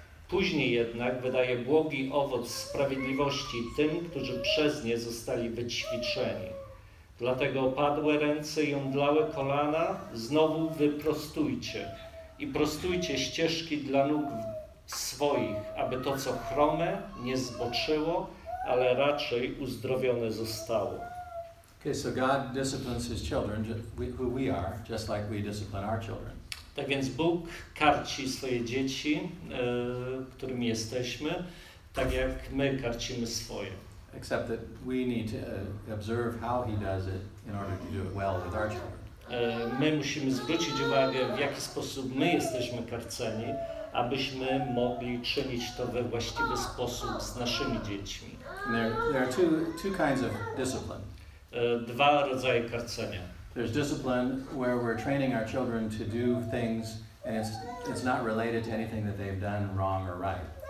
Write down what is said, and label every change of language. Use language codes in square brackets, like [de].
[pl] Później jednak wydaje błogi owoc sprawiedliwości tym, którzy przez nie zostali wyćwiczeni. Dlatego opadłe ręce i omdlałe kolana znowu wyprostujcie i prostujcie ścieżki dla nóg swoich, aby to, co chrome, nie zboczyło, ale raczej uzdrowione zostało. [en] Okay, so God disciplines his children, who we are, just like we discipline our children. [pl] Tak więc Bóg karci swoje dzieci, którymi jesteśmy, tak jak my karcimy swoje. [en] Except that we need to observe how he does it in order to do it well with our children. [pl] My musimy zwrócić uwagę, w jaki sposób my jesteśmy karceni, abyśmy mogli czynić to we właściwy sposób z naszymi dziećmi. [en] There are two kinds of discipline. [pl] Dwa rodzaje karcenia. [en] There's discipline where we're training our children to do things and it's not related to anything that they've done wrong or right.